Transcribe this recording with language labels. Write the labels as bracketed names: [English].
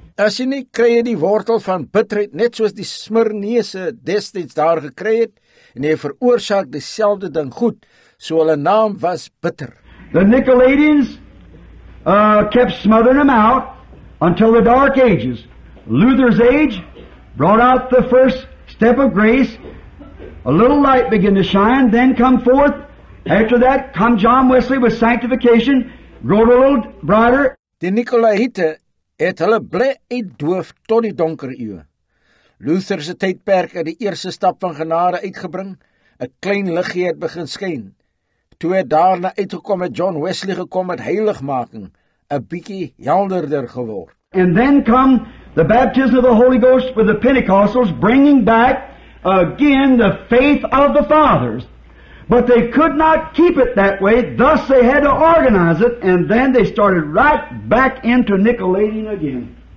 [Afrikaans] As jy nie kry die wortel van bitterheid net soos die Smirnese destyds daar gekry het, en jy veroorsaak dieselfde ding goed, so hulle naam was bitter. [English] The Nicolaitans kept smothering them out until the Dark Ages. Luther's age brought out the first step of grace. A little light began to shine, then come forth. After that, come John Wesley with sanctification. Grow a little brighter. [Afrikaans] Die Nicolaïte het hulle bly uitdoof tot die donker eeuwe. Luther se tydperk het die eerste stap van genade uitgebring. 'N Klein liggie het begin skyn. Toe het daarna uitgekom het John Wesley gekom met heiligmaking. 'N Bietjie helderder geword. [English] And then come the baptism of the Holy Ghost with the Pentecostals bringing back again the faith of the fathers. But they could not keep it that way. Thus they had to organize it, and then they started right back into Nicolaitan again.